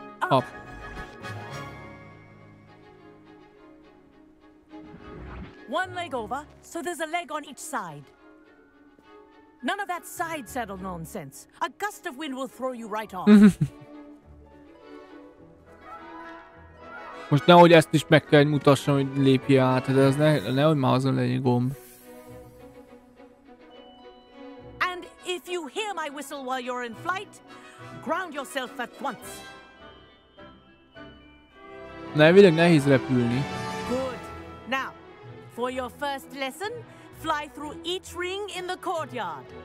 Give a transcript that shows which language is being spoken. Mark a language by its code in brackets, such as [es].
[en] Up. One leg over, so there's a leg on each side. None of that side saddle nonsense. A gust of wind will throw you right off. [hu] Most nehogy ezt is meg kell, hogy mutassam, hogy lépje át, de ez nehogy már azon legyen gomb. [en] And if you hear my whistle while you're in flight, ground yourself at once. [hu] Nevileg nehéz repülni. [en] Good. Now, for your first lesson, fly through each ring in the courtyard.